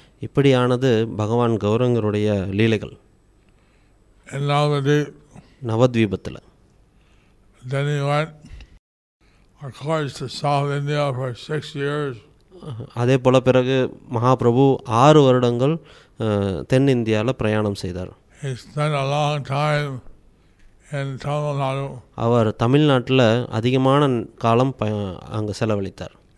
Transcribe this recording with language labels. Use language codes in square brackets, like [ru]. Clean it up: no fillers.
[ta] இப்படி ஆனது பகவான் கௌரங்கருடைய லீலைகள். [en] And now the day, [ta] நவத்வீபத்தில். [en] Then he went, of course, to South India for 6 years. [ta] அதே போல பிறகு மகாபிரபு 6 வருடங்கள் தென்னிந்தியாவில் பிரயாணம் செய்தார். [en] He spent a long time in Tamil Nadu. [ta] அவர் தமிழ்நாட்டில் அதிகமான காலம் அங்கே செலவழித்தார்.